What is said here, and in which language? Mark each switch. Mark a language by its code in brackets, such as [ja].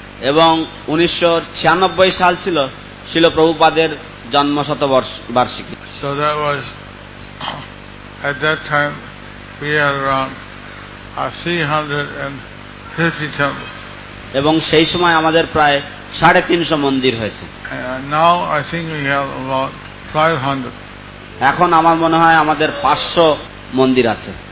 [bn] এবং 1996 সাল ছিল শিল প্রভুপাদের জন্ম শতবর্ষ বার্ষিকী। [en] So that was at that time we are around 350 temples. [bn] এবং সেই সময় আমাদের প্রায় 350 মন্দির হয়েছে। [en] Now I think we have about 500. [bn] এখন আমার মনে হয় আমাদের 500 মন্দির আছে।